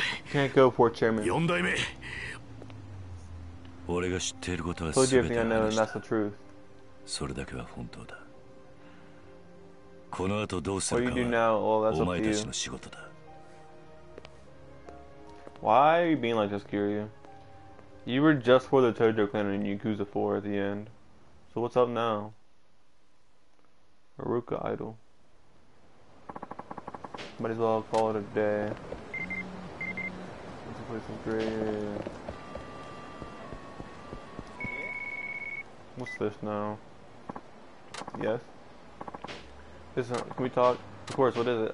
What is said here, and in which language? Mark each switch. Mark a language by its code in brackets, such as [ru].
[en] Can't go, poor chairman. Told you everything I know, and that's the truth. [ja] それだけは本当だ。この後どうするかはお前たちの仕事だ。 [en] Why are you being like this, Kiryu? You were just for the Tojo clan in Yakuza 4 at the end. So what's up now? Haruka idol. Might as well call it a day. Let's play some great. What's this now? Yes. Can we talk? Of course, what is it?